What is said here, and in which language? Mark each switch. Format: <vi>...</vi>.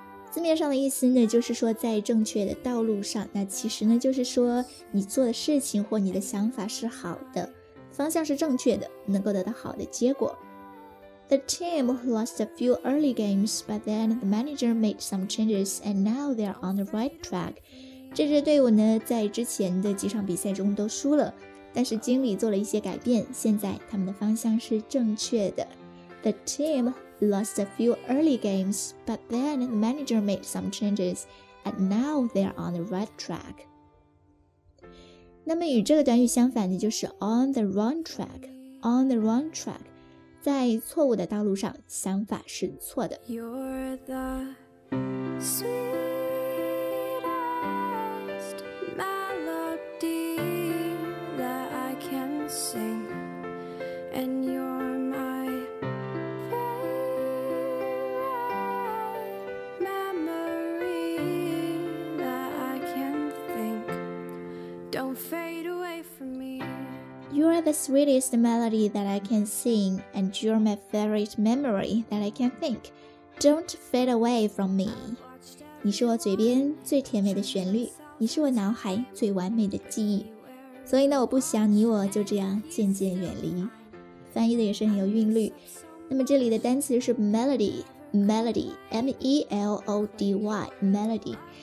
<zh>字面上的意思呢，就是说在正确的道路上。那其实呢，就是说你做的事情或你的想法是好的，方向是正确的，能够得到好的结果。</zh> <en>The team lost a few early games, but then the manager made some changes, and now they are on the right track.</en> <zh>这支队伍呢，在之前的几场比赛中都输了，但是经理做了一些改变，现在他们的方向是正确的。</zh> <en>The team lost a few early games, but then the manager made some changes, and now they are on the right track.</en> <zh>那么与这个短语相反的就是</zh> <en>on the wrong track,</en> <zh>on the wrong track. 在错误的道路上，想法是错的。</zh> <en>You're the sweetest melody that I can sing, and you're my favorite memory that I can think. Don't fade away from me. You are the sweetest melody that I can sing, and you're my favorite memory that I can think. Don't fade away from me.</en> <zh>你是我嘴边最甜美的旋律，你是我脑海最完美的记忆，所以呢，我不想你我就这样渐渐远离。翻译的也是很有韵律。那么这里的单词是 melody, M-E-L-O-D-Y, melody。</zh>